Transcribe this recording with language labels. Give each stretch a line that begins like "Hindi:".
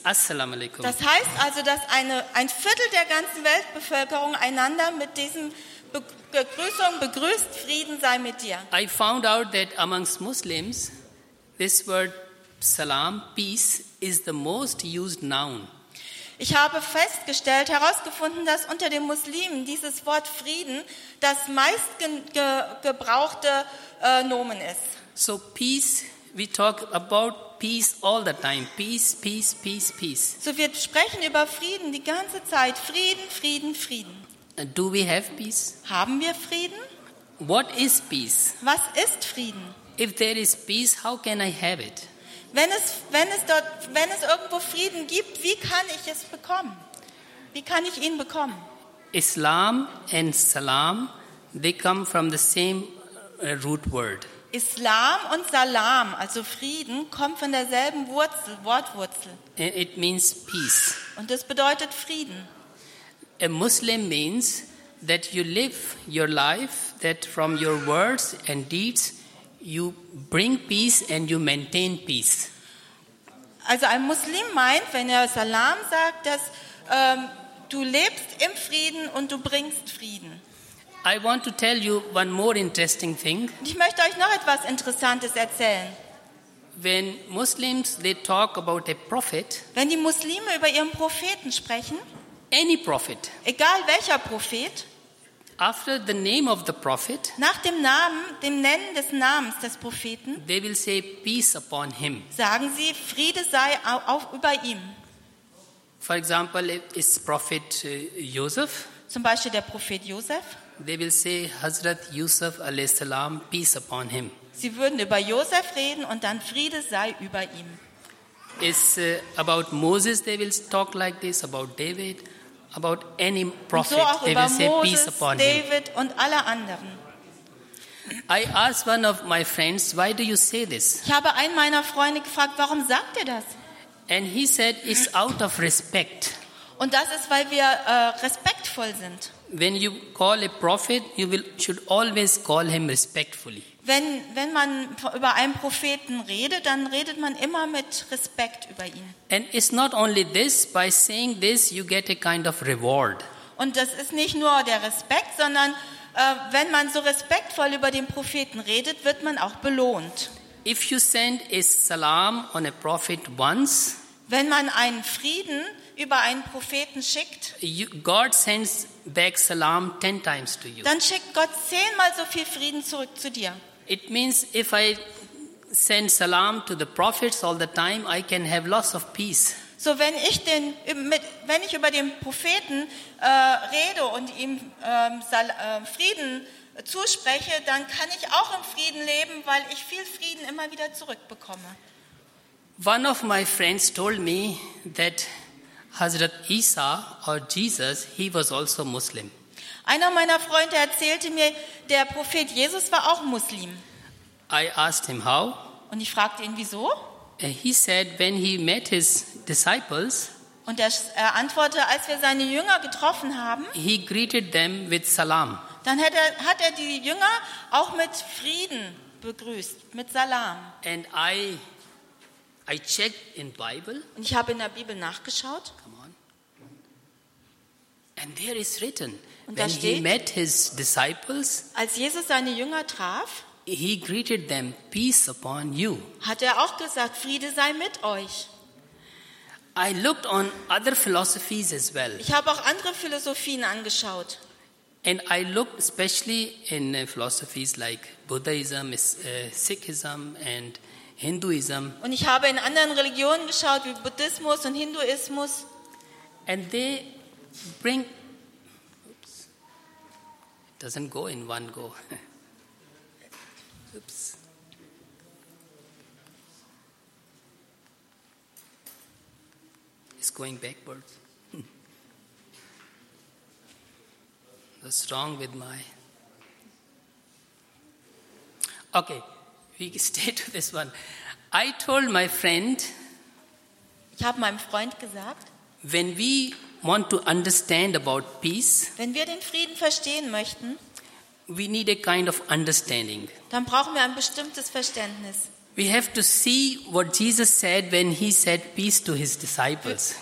Arabic: Assalamu alaikum.
German: Das heißt also, dass ein Viertel der ganzen Weltbevölkerung einander mit diesem Begrüßung begrüßt, Frieden sei mit dir.
English: I found out that amongst Muslims, this word salam, peace, is the most used noun.
German: Ich habe herausgefunden, dass unter den Muslimen dieses Wort Frieden das meist gebrauchte Nomen ist.
English: So peace, we talk about peace all the time. Peace, peace, peace, peace.
German: So wir sprechen über Frieden die ganze Zeit. Frieden, Frieden, Frieden.
English: Do we have peace?
German: Haben wir Frieden?
English: What is peace?
German: Was ist Frieden?
English: If there is peace, how can I have it?
German: Wenn es irgendwo Frieden gibt, wie kann ich ihn bekommen?
English: Islam and Salam, they come from the same root word.
German: Islam und Salam, also Frieden, kommt von derselben Wurzel, Wortwurzel.
English: It means peace.
German: Und das bedeutet Frieden.
English: A Muslim means that you live your life, that from your words and deeds you bring peace and you maintain peace.
German: Also ein Muslim meint, wenn er Salam sagt, dass du lebst im Frieden und du bringst Frieden.
English: I want to tell you one more interesting thing.
German: Ich möchte euch noch etwas Interessantes erzählen.
English: When Muslims they talk about a prophet,
German: wenn die Muslime über ihren Propheten sprechen,
English: any prophet,
German: egal welcher Prophet,
English: after the name of the prophet,
German: nach dem Namen, dem Nennen des Namens des Propheten,
English: they will say peace upon him.
German: Sagen sie, Friede sei auf über ihm.
English: For example, is prophet Yosef?
German: Zum Beispiel der Prophet Josef.
English: They will say Hazrat Yusuf
Arabic: alayhi salam,
English: peace upon him.
German: Sie würden über Josef reden und dann Friede sei über ihm.
English: Is about Moses, they will talk like this, about David, about any prophet,
German: so
English: they will
German: Moses,
English: say peace upon
German: David
English: him.
German: David und alle anderen.
English: I asked one of my friends, why do you say this?
German: Ich habe einen meiner Freunde gefragt, warum sagt ihr das?
English: And he said, it's out of respect.
German: Und das ist, weil wir respektvoll sind.
English: When you call a prophet, you will, should always call him respectfully.
German: Wenn man über einen Propheten redet, dann redet man immer mit Respekt über ihn.
English: And it's not only this, by saying this, you get a kind of reward.
German: Und das ist nicht nur der Respekt, sondern wenn man so respektvoll über den Propheten redet, wird man auch belohnt.
English: If you send a salam on a prophet once,
German: wenn man einen Frieden über einen Propheten schickt,
English: God sends back salam 10 times to you.
German: Dann schickt Gott 10-mal so viel Frieden zurück zu dir.
English: It means if I send salam to the prophets all the time, I can have lots of peace.
German: So wenn ich über den Propheten rede und ihm Frieden zuspreche, dann kann ich auch im Frieden leben, weil ich viel Frieden immer wieder zurückbekomme.
English: One of my friends told me that Hazrat Isa or Jesus, he was also Muslim.
German: Einer meiner Freunde erzählte mir, der Prophet Jesus war auch Muslim.
English: I asked him how.
German: Und ich fragte ihn wieso.
English: He said when he met his disciples.
German: Und er antwortete, als wir seine Jünger getroffen haben.
English: He greeted them with salam.
German: Dann hat er die Jünger auch mit Frieden begrüßt, mit Salam.
English: And I checked in Bible.
German: Und ich habe in der Bibel nachgeschaut.
English: Come on. And there is written.
German: Und
English: when
German: da steht,
English: he met his disciples,
German: als Jesus seine Jünger traf,
English: he greeted them, peace upon you.
German: Hat er auch gesagt, Friede sei mit euch.
English: I looked on other philosophies as well.
German: Ich habe auch andere Philosophien angeschaut.
English: And I looked especially in philosophies like Buddhism, Sikhism and Hinduism.
German: Und ich habe in anderen Religionen geschaut, wie Buddhismus und Hinduismus.
English: And they bring. Oops. It doesn't go in one go. Oops. It's going backwards. What's wrong with my. Okay. We stay to this one. I told my friend.
German: Ich habe meinem Freund gesagt.
English: When we want to understand about peace.
German: Wenn wir den Frieden verstehen möchten.
English: We need a kind of understanding.
German: Dann brauchen wir ein bestimmtes Verständnis.
English: We have to see what Jesus said when he said peace to his disciples.